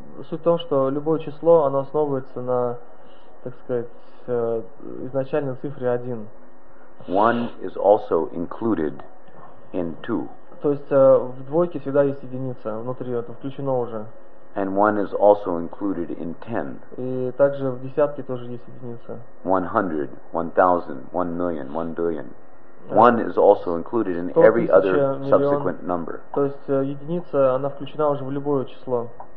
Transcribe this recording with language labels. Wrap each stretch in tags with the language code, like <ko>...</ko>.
<ru>Суть в том, что любое число, оно основывается на, так сказать, изначальной цифре один.</ru> <en>One is also included in two.</en> <ru>То есть в двойке всегда есть единица внутри, это включено уже.</ru> <en>And one is also included in ten.</en> <ru>И также в десятке тоже есть единица.</ru> <en>100, 1,000, 1,000,000, 1,000,000,000. One is also included in every other subsequent number.</en> <ru>То есть единица, она включена уже в любое число.</ru>